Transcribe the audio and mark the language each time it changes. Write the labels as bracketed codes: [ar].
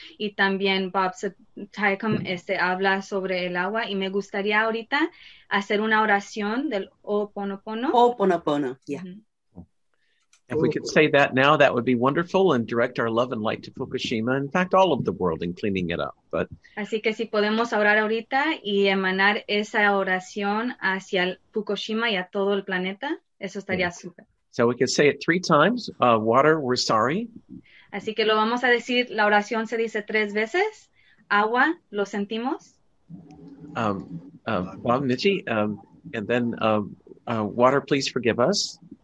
[es] Y también Bob Satayakam habla sobre el agua. Y me gustaría ahorita hacer una oración del Ho'oponopono. [en] Ho'oponopono, yeah. If we could say that now, that would be wonderful, and direct our love and light to Fukushima. In fact, all of the world, in cleaning it up. But [es] así que si podemos orar ahorita y emanar esa oración hacia el Fukushima y a todo el planeta, eso estaría súper. [en] So we could say it three times. Water, we're sorry. [es] Así que lo vamos a decir, la oración se dice tres veces. Agua, lo sentimos. [en] Bob, Michi, and then water, please forgive us.